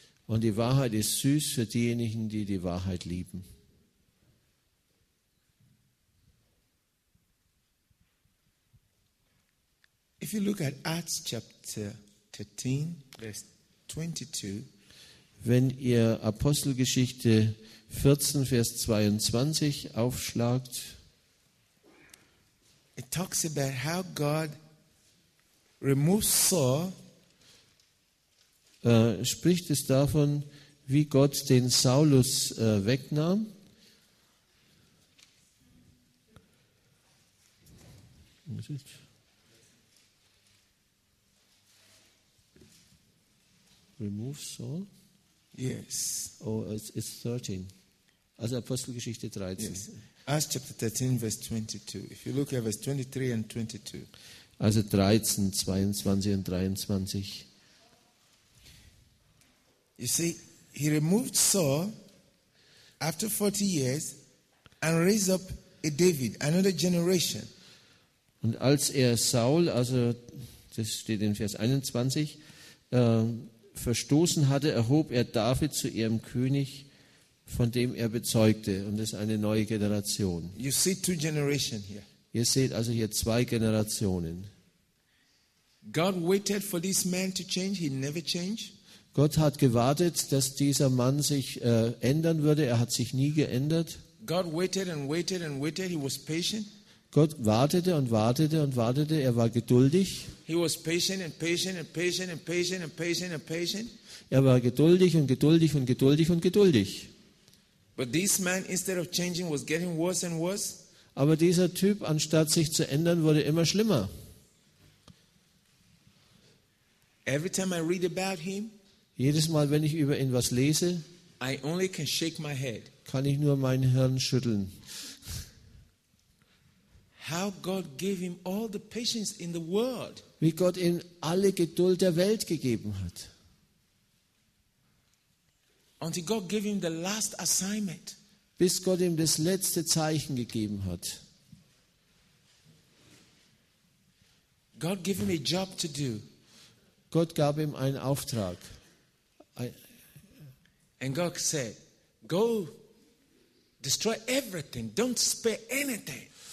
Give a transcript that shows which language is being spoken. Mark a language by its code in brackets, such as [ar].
[de] Und die Wahrheit ist süß für diejenigen, die die Wahrheit lieben. [en] If you look at Acts chapter 13, verse 22, [de] wenn ihr Apostelgeschichte 14, Vers 22 aufschlagt, [en] it talks about how God removes Saul. [de] Spricht es davon, wie Gott den Saulus wegnahm? [en] Remove Saul? Yes. Oh, it's 13. [de] Also Apostelgeschichte 13. [en] Yes. Acts chapter 13, verse 22. If you look at verse 23 and 22. [de] Also 13, 22 und 23. [en] You see, he removed Saul after 40 years and raised up a David, another generation. [de] Und als er Saul, also das steht in Vers 21, verstoßen hatte, erhob er David zu ihrem König, von dem er bezeugte. Und das ist eine neue Generation. [en] You see two generations here. [de] Ihr seht also hier zwei Generationen. [en] God waited for this man to change. He never changed. [de] Gott hat gewartet, dass dieser Mann sich ändern würde. Er hat sich nie geändert. [en] God waited and waited and waited. He was patient. [de] Gott wartete und wartete und wartete. Er war geduldig. [en] He was patient and patient and patient and patient and patient and patient. [de] Er war geduldig und geduldig und geduldig und geduldig. [en] But this man, instead of changing, was getting worse and worse. [de] Aber dieser Typ, anstatt sich zu ändern, wurde immer schlimmer. [en] Every time I read about him, [de] jedes Mal, wenn ich über ihn was lese, [en] I only can shake my head. [de] Kann ich nur mein Hirn schütteln. [en] How God gave him all the patience in the world. [de] Wie Gott ihm alle Geduld der Welt gegeben hat. [en] Until God gave him the last assignment. [de] Bis Gott ihm das letzte Zeichen gegeben hat. [en] God gave him a job to do. [de] Gott gab ihm einen Auftrag. [en] And God said, go destroy everything, don't spare anything.